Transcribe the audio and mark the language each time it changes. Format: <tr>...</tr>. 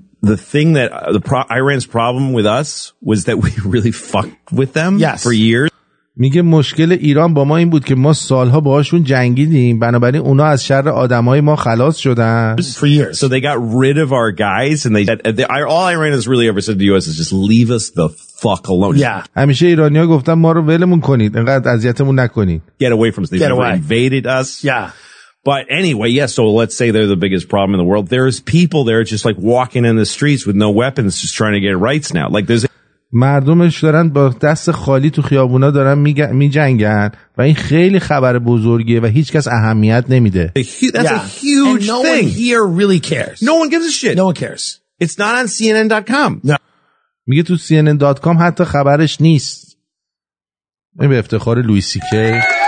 <en>The thing that Iran's problem with us was that we really fucked with them yes. for years.</en> <fa>میگه مشکل ایران با ما این بود که ما سالها باهاشون جنگیدیم، بنابراین اونا از شر آدمای ما خلاص شدن.</fa> <en>For years. So they got rid of our guys and they all Iran has really ever said to the US is just leave us the fuck alone. Yeah.</en> <fa>همیشه ایرانی ها گفتن ما رو ولمون کنید، انقدر اذیتمون نکنید.</fa> <en>Get away from us. They've never invaded us. Yeah. But anyway, yes, yeah, so let's say they're the biggest problem in the world. There's people there just like walking in the streets with no weapons just trying to get rights now. Like there's</en> <fa>مردمش دارن با دست خالی تو خیابونا دارن می جنگن و این خیلی خبر بزرگیه و هیچ کس اهمیت نمیده.</fa> <en>That's yeah. a huge and no thing. One here really cares. No one gives a shit. No one cares. It's not on CNN.com. No.</en> <fa>میگه تو CNN.com حتی خبرش نیست. این به افتخار لوی سی کی.</fa>